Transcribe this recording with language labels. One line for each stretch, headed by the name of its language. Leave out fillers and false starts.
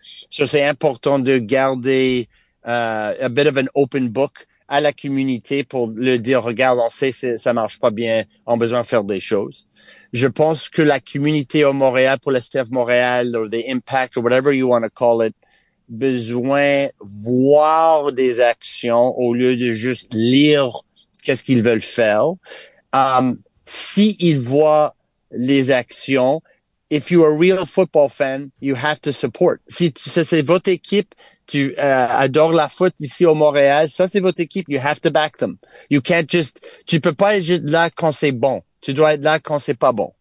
French: So, c'est important de garder,
English: a bit of an open book
French: à la communauté pour le dire, regarde, on sait, ça marche pas bien, on a besoin de faire des choses. Je pense que la communauté au Montréal, pour le CF Montréal, ou the impact, ou
English: whatever you want to call it,
French: besoin voir des actions au lieu de juste lire qu'est-ce qu'ils veulent faire. S'ils voient les actions,
English: if you're a real football fan, you have to support.
French: Si c'est votre équipe, tu adores la foot ici au Montréal, ça c'est votre équipe,
English: you have to back them. You can't just,
French: tu peux pas être juste là quand c'est bon. Tu dois être là quand c'est pas bon.